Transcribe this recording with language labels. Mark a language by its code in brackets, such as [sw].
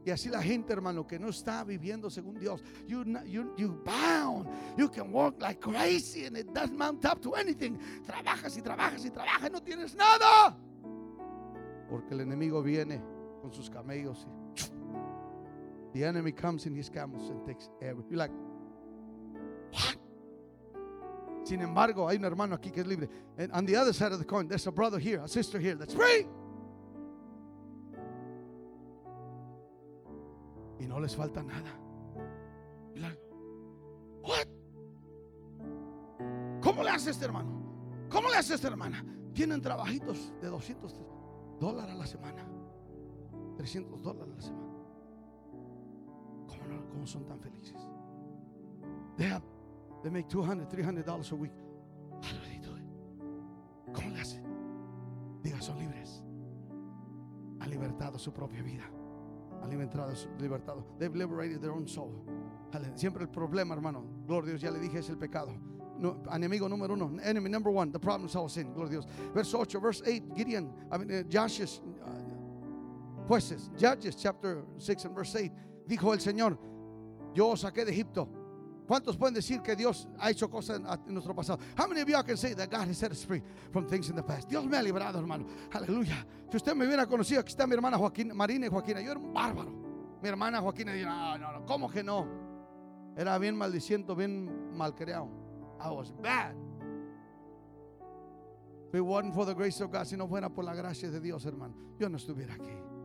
[es] Y así la gente, hermano, que no está viviendo según Dios. [en] You bound. You can work like crazy and it doesn't mount up to anything. [es] Trabajas y trabajas y trabajas y no tienes nada. Porque el enemigo viene con sus camellos. [en] The enemy comes in his camels and takes every. You're like, what? [es] Sin embargo, hay un hermano aquí que es libre. [en] And on the other side of the coin, there's a brother here, a sister here that's free. [es] Y no les falta nada. [en] You're like, what? [es] ¿Cómo le hace este hermano? ¿Cómo le hace esta hermana? Tienen trabajitos de $200 a la semana. $300 a la semana. ¿Cómo son tan felices? [en] They make $200-$300 a week. How do they do it? [es] ¿Cómo le hacen? Diga, son libres. Han libertado su propia vida. Han libertado su libertad. [en] They've liberated their own soul. [es] Siempre el problema, hermano. Gloria a Dios, ya le dije, es el pecado. No, enemigo número uno. [en] Enemy number one. The problem is all sin. Gloria a Dios. Verso 8, verse 8. Gideon, Joshua's. Jueces, Judges chapter 6 and verse 8. [es] Dijo el Señor, yo os saqué de Egipto. ¿Cuántos pueden decir que Dios ha hecho cosas en nuestro pasado? [en] How many of you can say that God has set us free from things in the past? [es] Dios me ha librado, hermano. Aleluya. Si usted me hubiera conocido, aquí está mi hermana Joaquina, Marina y Joaquina. Yo era un bárbaro. Mi hermana Joaquina dijo, no, ¿cómo que no? Era bien maldiciendo, bien malcriado. [en] I was bad. If it wasn't for the grace of God, [es] si no fuera por la gracia de Dios, hermano, yo no estuviera aquí.